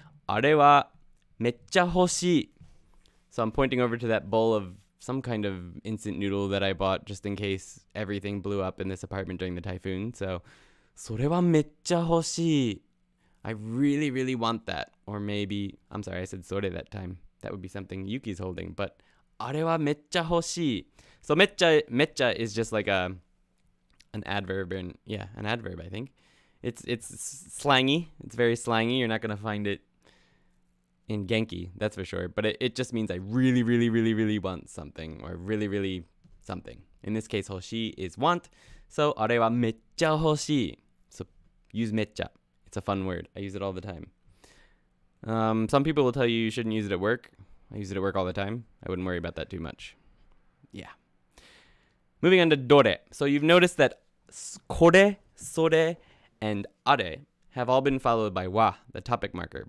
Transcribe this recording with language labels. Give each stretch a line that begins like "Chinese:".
Japanese: あれはめっちゃ欲しい。
English: So I'm pointing over to that bowl of some kind of instant noodle that I bought just in case everything blew up in this apartment during the typhoon.
Japanese: So, それはめっちゃ欲しい。
English: I really, really want that. Or maybe, I'm sorry, I said sore that time. That would be something Yuki's holding. But,
Japanese: あれはめっちゃ欲しい。
English: So, めっちゃ is just like an adverb, I think. It's slangy. It's very slangy. You're not going to find it in Genki, that's for sure. But it just means I really, really, really, really want something. Or really, really something. In this case, 欲しい is want.
Japanese: So, あれはめっちゃ欲しい。
English: So, use めっちゃ。It's a fun word. I use it all the time. Some people will tell you you shouldn't use it at work. I use it at work all the time. I wouldn't worry about that too much. Yeah. Moving on to dore. So you've noticed that kore, sore, and are have all been followed by wa, the topic marker.